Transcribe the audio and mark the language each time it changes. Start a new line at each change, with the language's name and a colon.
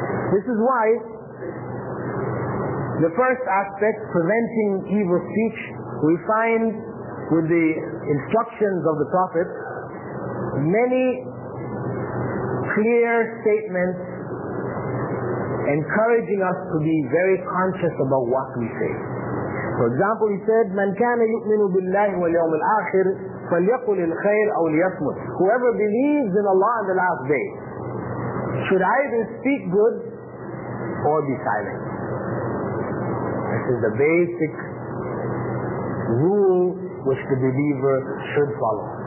English: This is why the first aspect, preventing evil speech, we find with the instructions of the Prophet many clear statements encouraging us to be very conscious about what we say. For example, he said,
Arabic: مَنْ كَانَ يُؤْمِنُ بِاللَّهِ وَالْيَوْمِ الْآخِرِ فَلْيَقُلِ الْخَيْرِ أَوْ لِيَصْمُتِ.
English: Whoever believes in Allah and the last day should either speak good or be silent. This is the basic rule which the believer should follow.